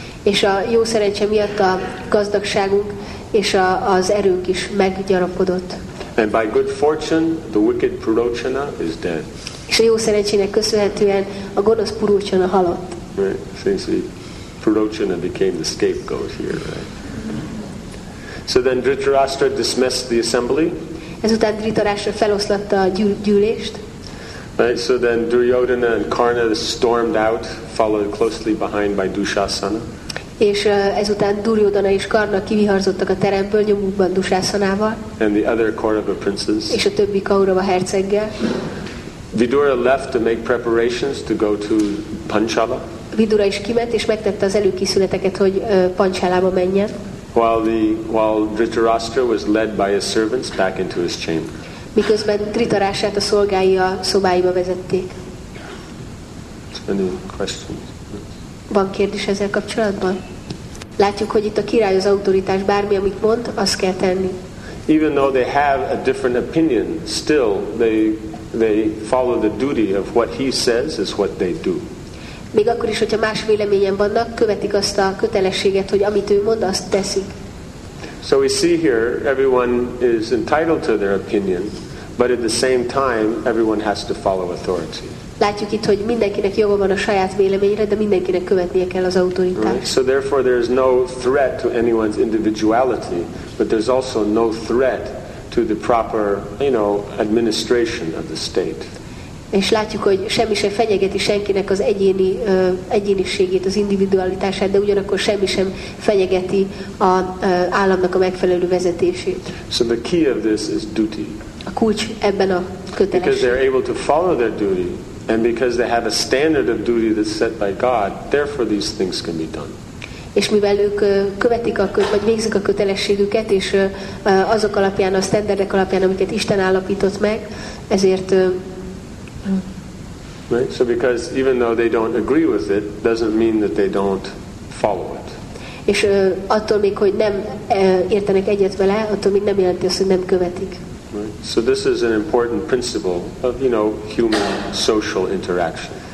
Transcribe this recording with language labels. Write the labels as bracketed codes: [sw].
[hu] És a jó szerencse miatt a gazdagságunk és az erők is meggyarapodott. [en] And by good fortune, the wicked Purochana is dead. [hu] És a jó szerencsének köszönhetően a gonosz Purochana halott. [en] Right, see, Purochana became the scapegoat here, right? So then Dhritarashtra dismissed the assembly. [hu] Ezután Dhritarashtra feloszlatta a gyűlést. [en] Right, so then Duryodhana and Karna stormed out, followed closely behind by Dushasana. [hu] És ezután Duryodhana és Karna kiviharzottak a teremből nyomukban Dushasanával. [en] And the other Kaurava princes. [hu] És a többi Kaurava herceggel. [en] Vidura left to make preparations to go to Panchala. [hu] Vidura is kiment és megtette az előkészületeket, hogy Panchalába menjen. [en] While Dhritarashtra was led by his servants back into his chamber. [hu] Miközben Dhritarashtrát a szolgái a szobáiba vezették. [en] Any questions? [hu] Van kérdés ezzel kapcsolatban? Látjuk, hogy itt a király az autoritás, bármi, amit mond, azt kell tenni. [en] Even though they have a different opinion, still they follow the duty of what he says is what they do. [hu] Még akkor is, hogyha más véleményen vannak, követik azt a kötelességet, hogy amit ő mond, azt teszik. [en] So we see here, everyone is entitled to their opinion, but at the same time, everyone has to follow authority. [hu] Látjuk itt, hogy mindenkinek joga van a saját véleményre, de mindenkinek követnie kell az autoritást. [en] Right. So therefore there is no threat to anyone's individuality, but there's also no threat to the proper, you know, administration of the state. [hu] És látjuk, hogy semmi sem fenyegeti senkinek az egyéniségét, az individualitását, de ugyanakkor semmi sem fenyegeti az államnak a megfelelő vezetését. [en] So the key of this is duty. [hu] A kulcs ebben a kötelesség. [en] Because they're able to follow their duty, and because they have a standard of duty that's set by God, therefore these things can be done. [hu] És mivel ők követik a vagy végzik a kötelességüket, és azok alapján, a standardek alapján, amiket Isten állapított meg, ezért [en] Right? So because even though they don't agree with it, doesn't mean that they don't follow it. [hu] És attól még, hogy nem értenek egyet vele, attól még nem jelenti azt, hogy nem követik. [en] Right? So this is an important principle of, you know, human social interaction.